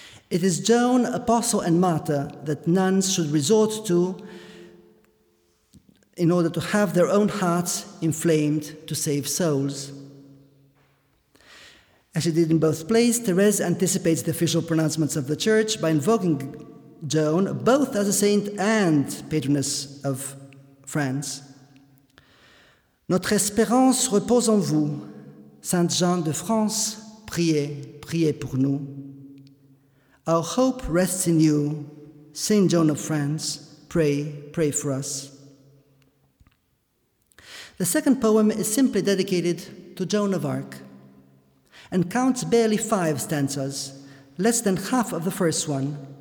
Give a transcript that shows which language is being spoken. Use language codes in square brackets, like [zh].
[en] It is Joan, apostle, and martyr that nuns should resort to in order to have their own hearts inflamed to save souls. As she did in both plays, Thérèse anticipates the official pronouncements of the Church by invoking Joan both as a saint and patroness of France. [fr] Notre espérance repose en vous. Saint Jean de France, priez, priez pour nous. [en] Our hope rests in you, Saint Joan of France, pray, pray for us. The second poem is simply dedicated to Joan of Arc and counts barely five stanzas, less than half of the first one.